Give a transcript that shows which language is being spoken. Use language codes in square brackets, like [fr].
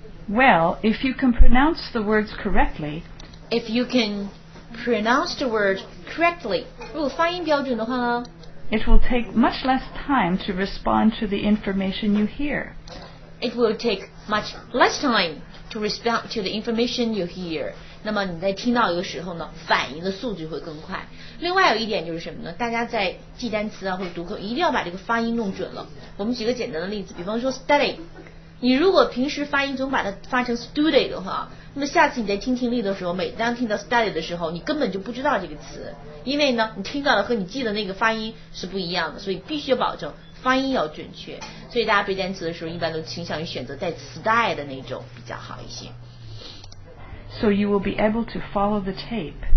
[en] Well, if you can pronounce the words correctly, if you can pronounce the words correctly, [zh] 如果发音标准的话呢， [en] it will take much less time to respond to the information you hear. It will take much less time to respond to the information you hear. [zh] 那么你在听到有时候呢，反应的速度会更快。另外有一点就是什么呢？大家在记单词啊或者读课，一定要把这个发音弄准了。我们举个简单的例子，比方说 study。你如果平时发音总把它发成 study 的话，那么下次你在听听力的时候，每当听到 study 的时候，你根本就不知道这个词，因为呢，你听到的和你记的那个发音是不一样的，所以必须保证发音要准确。所以大家背单词的时候，一般都倾向于选择带磁带的那种比较好一些。 [en] So you will be able to follow the tape.